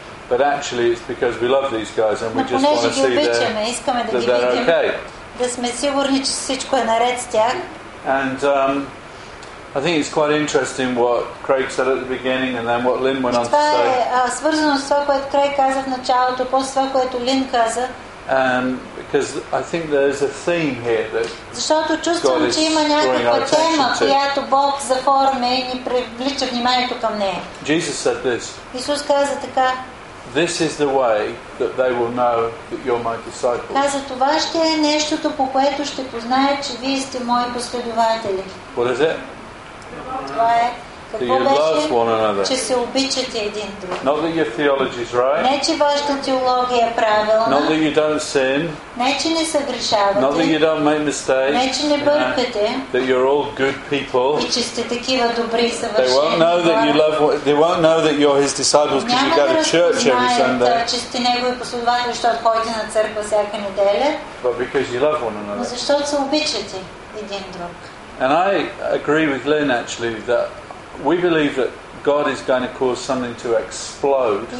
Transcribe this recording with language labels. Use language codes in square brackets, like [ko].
[en] But actually it's because we love these guys and we just want to see they're okay. And I think it's quite interesting what Craig said at the beginning and then what Lynn went on to say. [bg] Свързано с това, което Craig каза в началото, после това, което Lynn каза. [en] Because I think there's a theme here that [bg] защото чувствам, че има някаква тема, която Бог заформя и ни привлича вниманието към нея. [en] Jesus said this. [bg] Исус каза така. [en] This is the way that they will know that you're my disciples. [bg] Каза това ще е нещото, по което ще познаят, че вие сте мои последователи. [en] What is it? [bg] Това е какво беше, че се обичате един друг. [en] Not that your theology is right. [bg] Не, че вашата теология е правилна. [en] Not that you don't sin. [bg] Не, че не съгрешавате. [en] Not that you don't make mistakes. [bg] Не, че не бъркате. [en] That you're all good people. [bg] И че сте такива добри и съвършени. [en] They won't know that you love, they won't know that you're his disciples because you go to church every Sunday. [bg] Няма да разпознаят, че сте негови последователи, защото ходите на църква всяка неделя. [en] But because you love one another. [bg] Но защото се обичате един друг. [en] And I agree with Lynn actually that we believe that God is going to cause something to explode.